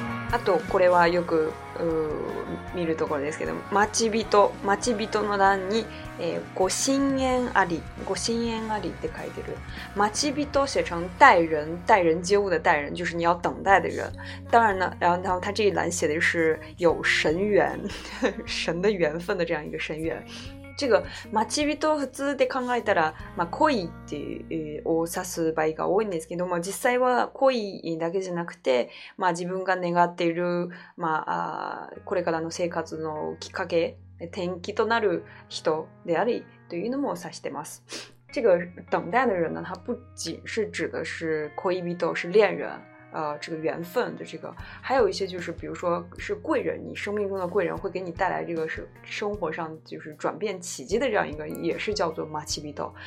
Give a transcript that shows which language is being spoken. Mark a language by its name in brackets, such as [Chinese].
[Japanese] あとこれはよく見るところですけど、町人の欄に、ご心縁あり、ご心縁ありって書いてる。 [Chinese] 町人写成待人、待人接物的待人、就是你要等待的人。当然呢，然后他这一栏写的是有神缘、神的缘分的这样一个神缘。这个 [Japanese] 町人普通で考えたら、まあ恋って、を指す場合が多いんですけども、実際は恋だけじゃなくて、まあ自分が願っている、まあこれからの生活のきっかけ、転機となる人でありというのも指してます。 [Chinese] 这个等待的人呢，他不仅是指的是恋人，是恋人。这个缘分的这个，还有一些就是，比如说是贵人，你生命中的贵人会给你带来这个是生活上就是转变奇迹的这样一个，也是叫做 machibito。